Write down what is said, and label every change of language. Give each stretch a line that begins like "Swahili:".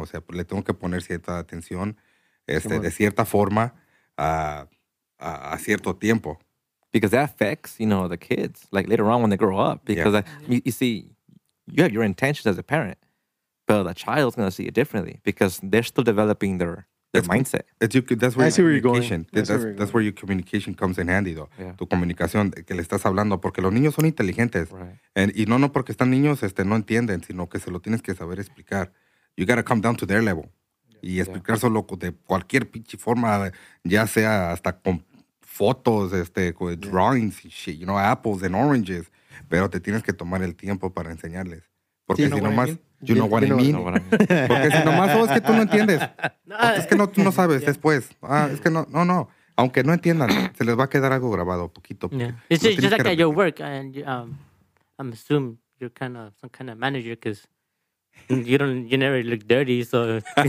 Spanish: O sea, le tengo que poner cierta atención, de cierta forma, a cierto tiempo.
English: Because that affects, you know, the kids, like later on when they grow up. Because, you see, you have your intentions as a parent, but the child's going to see it differently because they're still developing their mindset. That's where your communication comes in handy, though.
Spanish: Yeah. Tu comunicación, que le estás hablando, porque los niños son inteligentes.
English: Right.
Spanish: And, y no porque están niños, no entienden, sino que se lo tienes que saber explicar.
English: You gotta come down to their level. Yeah.
Spanish: Y explicar solo de cualquier pinche forma, ya sea hasta con fotos, con
English: drawings and shit, you know, apples and oranges.
Spanish: Pero te tienes que tomar el tiempo para enseñarles. Porque si nomás,
English: you know what I mean.
Spanish: Porque si nomás, es que tú no entiendes. Es que no, tú no sabes después. Es que no. Aunque no entiendan, se les va a quedar algo grabado poquito.
English: It's just like at your work, and I'm assuming you're kind of some kind of manager because you never look dirty, so.